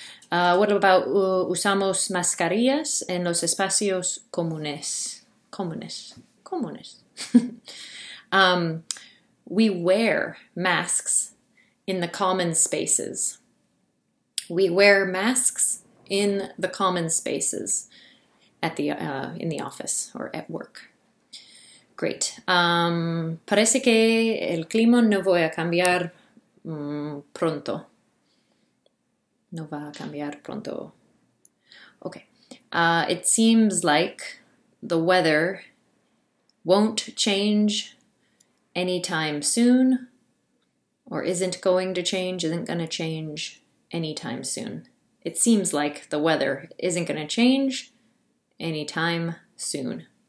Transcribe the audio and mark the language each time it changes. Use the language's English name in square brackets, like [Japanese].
[English] What about [Spanish] usamos mascarillas en los espacios comunes? Comunes. Comunes. [English] We wear masks in the common spaces. We wear masks in the common spaces at the in the office or at work. Great. [Spanish] Parece que el clima no voy a cambiar pronto. No va a cambiar pronto. Okay. [English] It seems like the weather won't change anytime soon, or isn't going to change, isn't going to change anytime soon. It seems like the weather isn't going to change anytime soon.